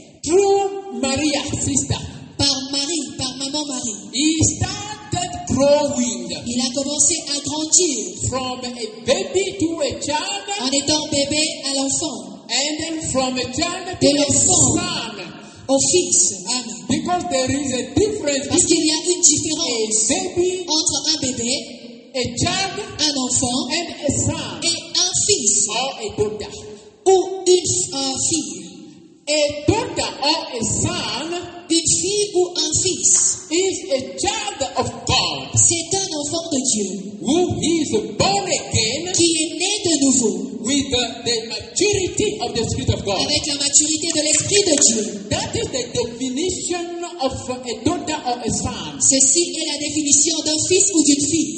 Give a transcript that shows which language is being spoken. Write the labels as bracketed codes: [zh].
[en] Through Maria, sister. [fr] Par Marie, par maman Marie. [en] He started growing. [fr] Il a commencé à grandir. [en] From a baby to a child. [fr] En étant bébé à l'enfant. [en] And then from a child to a son. [fr] Au fils. [en] Amen. Because there is a difference. [fr] Parce qu'il y a une différence entre un bébé. [en] A child, [fr] un enfant, [en] and a son, [fr] et un fils, [en] or a daughter, [fr] ou une fille. [en] A daughter or a son, [fr] une fille ou un fils, [en] is a child of God. [fr] C'est un enfant de Dieu. [en] Who is born again? [fr] Qui est né de nouveau? [en] With the maturity of the Spirit of God. [fr] Avec la maturité de l'esprit de Dieu. [en] That is the definition of a daughter or a son. [fr] Ceci est la définition d'un fils ou d'une fille.